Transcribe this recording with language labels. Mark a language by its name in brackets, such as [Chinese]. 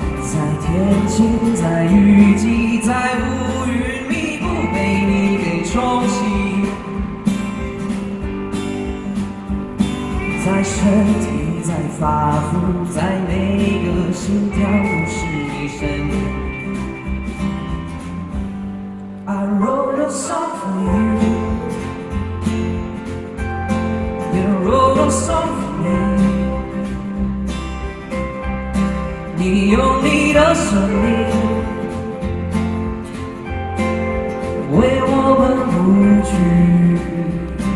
[Chinese] 在天晴，在雨季，在乌云密布，被你给冲洗。在身体，在发肤，在每个心跳，都是你声音。 [English] I wrote a song for you, you wrote a song for me. [Chinese] 你用你的声音为我们谱曲。